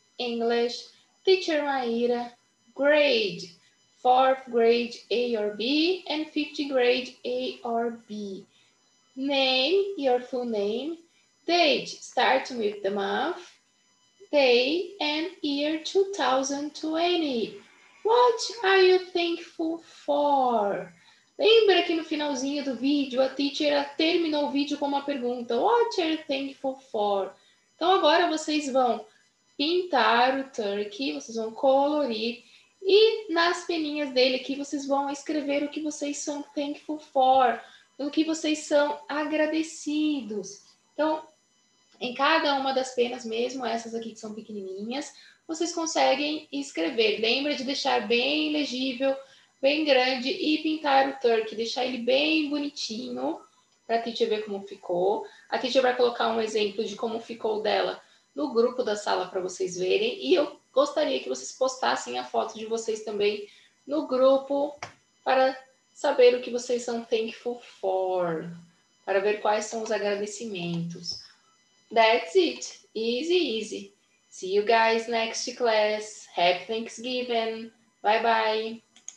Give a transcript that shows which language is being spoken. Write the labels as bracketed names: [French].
[English] English, teacher Maíra, grade, fourth grade A or B, and fifth grade A or B. Name, your full name. Date, start with the month. Day and year 2020. What are you thankful for? [Portuguese] Lembra que no finalzinho do vídeo, a teacher terminou o vídeo com uma pergunta. [English] What are you thankful for? [Portuguese] Então agora vocês vão pintar o turkey, vocês vão colorir. E nas peninhas dele aqui, vocês vão escrever o que vocês são [English] thankful for. [Portuguese] O que vocês são agradecidos. Então, em cada uma das penas mesmo, essas aqui que são pequenininhas, vocês conseguem escrever. Lembra de deixar bem legível, bem grande e pintar o turkey, deixar ele bem bonitinho para a teacher ver como ficou. A teacher vai colocar um exemplo de como ficou dela no grupo da sala para vocês verem. E eu gostaria que vocês postassem a foto de vocês também no grupo para saber o que vocês são [English] thankful for, [Portuguese] para ver quais são os agradecimentos. [English] That's it. Easy, easy. See you guys next class. Happy Thanksgiving. Bye, bye.